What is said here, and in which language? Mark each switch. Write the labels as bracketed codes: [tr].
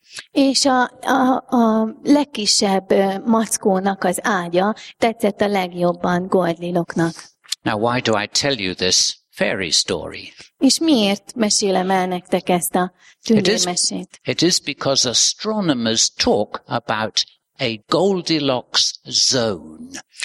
[hu] És a legkisebb mackónak az ágya tetszett a legjobban Goldilocksnak. [en] Now why do I tell you this fairy story? [hu] És miért mesélem el nektek ezt a tündérmesét? [en] It is because astronomers talk about a Goldilocks zone.